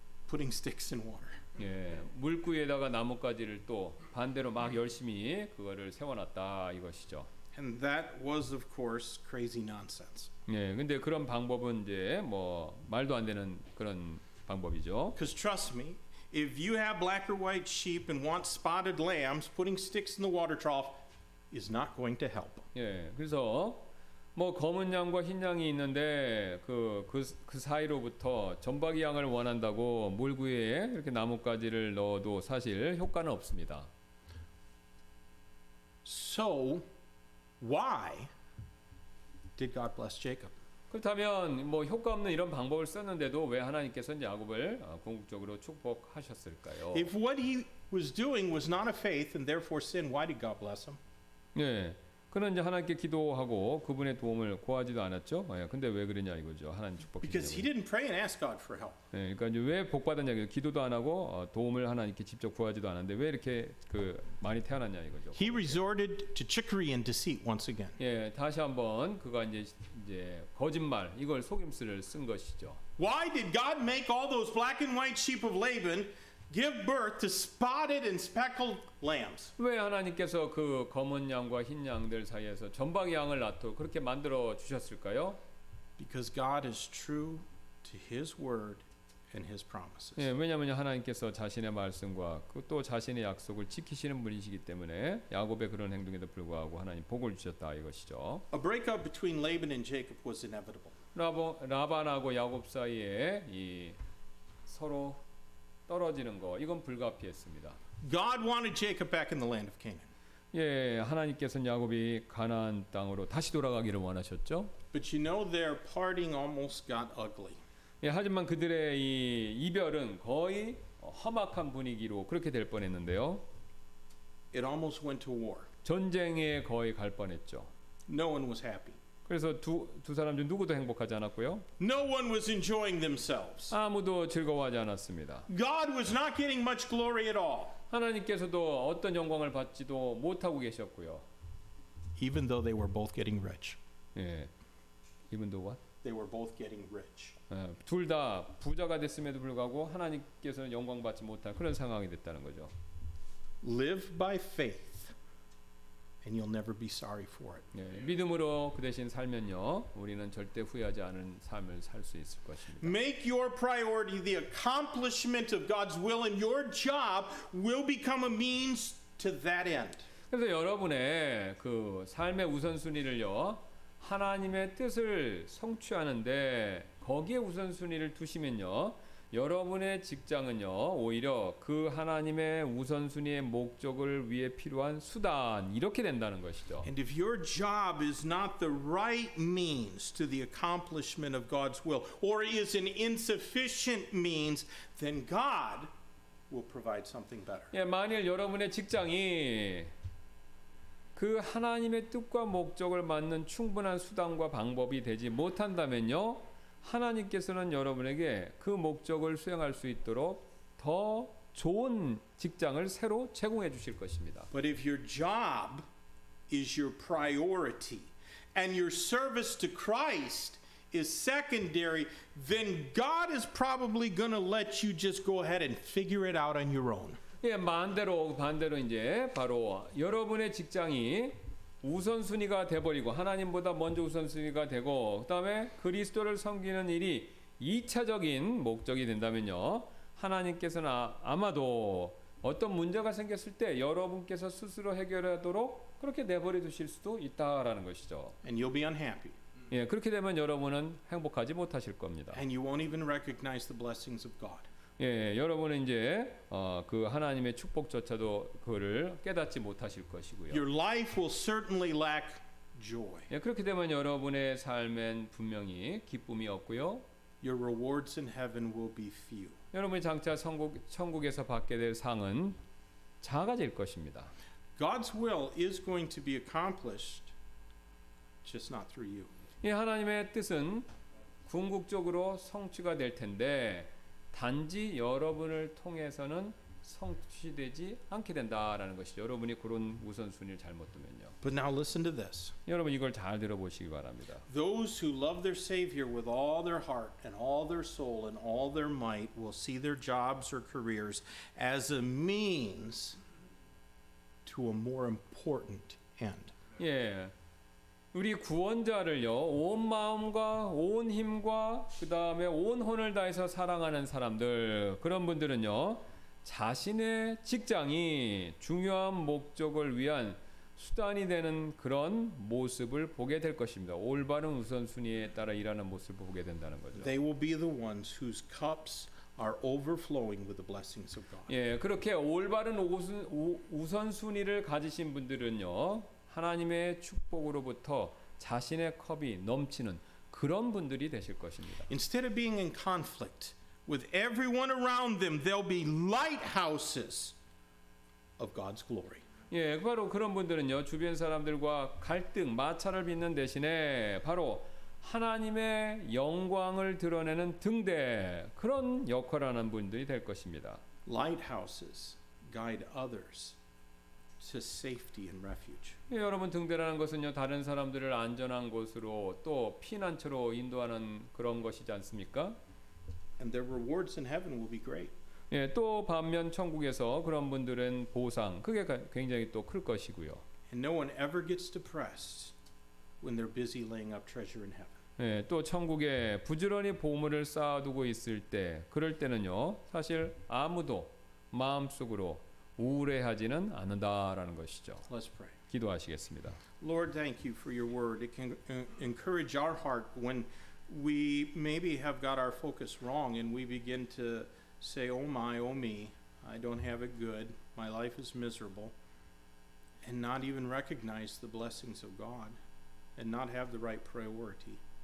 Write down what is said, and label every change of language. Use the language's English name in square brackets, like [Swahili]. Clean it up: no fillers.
[English] Putting sticks in water. [Korean] 예, 물구에다가 나뭇가지를 또 반대로 막 열심히 그거를 세워놨다 이것이죠. [English] And that was of course crazy nonsense. [Korean] 예, 근데 그런 방법은 이제 뭐 말도 안 되는 그런 방법이죠. [English] Because trust me. If you have black or white sheep and want spotted lambs, putting sticks in the water trough is not going to help. [Korean] 예, 그래서 뭐 검은 양과 흰 양이 있는데 그 사이로부터 점박이 양을 원한다고 물구에 이렇게 나뭇가지를 넣어도 사실 효과는 없습니다. [English] So, why did God bless Jacob? [Korean] 그렇다면 뭐 효과 없는 이런 방법을 썼는데도 왜 하나님께서 야곱을 궁극적으로 축복하셨을까요? [English] If what he was doing was not a faith and therefore sin, why did God bless him? [Korean] 네, 그는 이제 하나님께 기도하고 그분의 도움을 구하지도 않았죠. 예, 근데 왜 그러냐 이거죠. 하나님 축복했냐고. [English] Because he didn't pray and ask God for help. [Korean] 예, 그러니까 왜 복 받았냐 이거죠. 기도도 안 하고 도움을 하나님께 직접 구하지도 않았는데 왜 이렇게 그 많이 태어났냐 이거죠. [English] He resorted to trickery and deceit once again. [Korean] 예, 다시 한번 그가 이제 거짓말 이걸 속임수를 쓴 것이죠. [English] Why did God make all those black and white sheep of Laban give birth to spotted and speckled lambs? [Korean] 왜 하나님께서 그 검은 양과 흰 양들 사이에서 전방위 양을 낳도록 그렇게 만들어 주셨을까요? [English] Because God is true to His word and His promises. [Korean] 예, 왜냐하면 하나님께서 자신의 말씀과 또 자신의 약속을 지키시는 분이시기 때문에 야곱의 그런 행동에도 불구하고 하나님 복을 주셨다 이것이죠. [English] A breakup between Laban and Jacob was inevitable. [Korean] 라반하고 야곱 사이에 이 서로 떨어지는 거 이건 불가피했습니다. [English] God wanted Jacob back in the land of Canaan. [Korean] 예, 하나님께서는 야곱이 가나안 땅으로 다시 돌아가기를 원하셨죠. [English] But you know their parting almost got ugly. [Korean] 예, 하지만 그들의 이 이별은 거의 험악한 분위기로 그렇게 될 뻔했는데요. [English] It almost went to war. [Korean] 전쟁에 거의 갈 뻔했죠. [English] No one was happy. [Korean] 그래서 두 사람 중 누구도 행복하지 않았고요. [English] No one was enjoying themselves. [Korean] 아무도 즐거워하지 않았습니다. [English] God was not getting much glory at all. [Korean] 하나님께서도 어떤 영광을 받지도 못하고 계셨고요. [English] Even though they were both getting rich. 예. Even though what? They were both getting rich. [Korean] 예, 둘 다 부자가 됐음에도 불구하고 하나님께서는 영광 받지 못한 그런 상황이 됐다는 거죠. [English] Live by faith. And you'll never be sorry for it. [Korean] 예, 믿음으로 그 대신 살면요, 우리는 절대 후회하지 않은 삶을 살 수 있을 것입니다. [English] Make your priority the accomplishment of God's will, and your job will become a means to that end. [Korean] 그래서 여러분의 그 삶의 우선순위를요, 하나님의 뜻을 성취하는데 거기에 우선순위를 두시면요, 여러분의 직장은요 오히려 그 하나님의 우선순위의 목적을 위해 필요한 수단 이렇게 된다는 것이죠. [English] And if your job is not the right means to the accomplishment of God's will, or is an insufficient means, then God will provide something better. [Korean] 예, 만일 여러분의 직장이 그 하나님의 뜻과 목적을 맞는 충분한 수단과 방법이 되지 못한다면요. 하나님께서는 여러분에게 그 목적을 수행할 수 있도록 더 좋은 직장을 새로 제공해 주실 것입니다. [English] But if your job is your priority and your service to Christ is secondary, then God is probably going to let you just go ahead and figure it out on your own. [Korean] 예, 반대로 이제 바로 여러분의 직장이 우선순위가 돼버리고 하나님보다 먼저 우선순위가 되고 그다음에 그리스도를 섬기는 일이 2차적인 목적이 된다면요 하나님께서는 아마도 어떤 문제가 생겼을 때 여러분께서 스스로 해결하도록 그렇게 내버려 두실 수도 있다라는 것이죠. [English] And you'll be unhappy. [Korean] 예, 그렇게 되면 여러분은 행복하지 못하실 겁니다. [English] And you won't even recognize the blessings of God. [Korean] 예, 여러분은 이제 그 하나님의 축복조차도 그를 깨닫지 못하실 것이고요. [English] Your life will certainly lack joy. [Korean] 예, 그렇게 되면 여러분의 삶엔 분명히 기쁨이 없고요. [English] Your rewards in heaven will be few. [Korean] 여러분이 장차 천국에서 받게 될 상은 작아질 것입니다. [English] God's will is going to be accomplished, just not through you. [Korean] 예, 하나님의 뜻은 궁극적으로 성취가 될 텐데. 단지 여러분을 통해서는 성취되지 않게 된다라는 것이죠. 여러분이 그런 우선순위를 잘못 두면요. [English] But now listen to this. [Korean] 여러분 이걸 잘 들어보시기 바랍니다. [English] Those who love their Savior with all their heart and all their soul and all their might will see their jobs or careers as a means to a more important end. [Korean] 예. 우리 구원자를요 온 마음과 온 힘과 그 다음에 온 혼을 다해서 사랑하는 사람들 그런 분들은요 자신의 직장이 중요한 목적을 위한 수단이 되는 그런 모습을 보게 될 것입니다. 올바른 우선순위에 따라 일하는 모습을 보게 된다는 거죠. [English] They will be the ones whose cups are overflowing with the blessings of God. [Korean] 예, 그렇게 올바른 우선순위를 가지신 분들은요 하나님의 축복으로부터 자신의 컵이 넘치는 그런 분들이 되실 것입니다. [English] Instead of being in conflict with everyone around them, they'll be lighthouses of God's glory. [Korean] 예, 바로 그런 분들은요. 주변 사람들과 갈등, 마찰을 빚는 대신에 바로 하나님의 영광을 드러내는 등대 그런 역할하는 분들이 될 것입니다. [English] Lighthouses guide others to safety and refuge. [Korean] 예, 여러분 등대라는 것은요. 다른 사람들을 안전한 곳으로 또 피난처로 인도하는 그런 것이지 않습니까? [English] And their rewards in heaven will be great. [Korean] 예, 또 반면 천국에서 그런 분들은 보상 그게 굉장히 또 클 것이고요. [English] And no one ever gets depressed when they're busy laying up treasure in heaven. [Korean] 예, 또 천국에 부지런히 보물을 쌓아두고 있을 때 그럴 때는요. 사실 아무도 마음속으로 우울해하지는 않는다라는 것이죠. [English] Let's pray. [Korean] 기도하시겠습니다. [English] Lord, thank you for your word. It can encourage our heart when we maybe have got our focus wrong and we begin to say, oh my, oh me, I don't have it good, my life is miserable, and not even recognize the blessings of God, and not have the right priority.